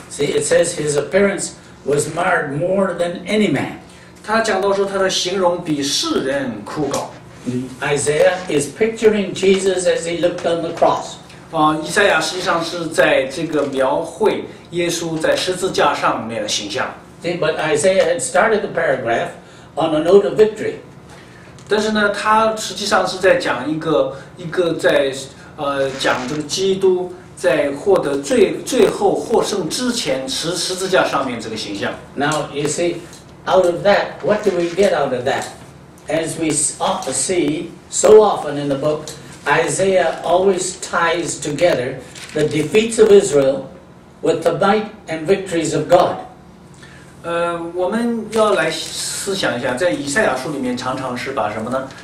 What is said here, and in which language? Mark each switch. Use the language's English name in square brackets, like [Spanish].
[English] See, it says his appearance was marred more than any man. [Chinese] 他讲到说他的形容比世人枯槁。 [English] Isaiah is picturing Jesus as he looked on the cross. [Chinese] 以赛亚实际上是在这个描绘耶稣在十字架上面的形象。 [English] See, but Isaiah had started the paragraph on a note of victory. [Chinese] 但是呢，他实际上是在讲一个在讲这个基督在获得最后获胜之前十字架上面这个形象。 [English] Now you see, out of that, what do we get out of that? As we see so often in the book, Isaiah always ties together the defeats of Israel with the might and victories of God. [Chinese] 我们要来思想一下，在以赛亚书里面常常是把什么呢？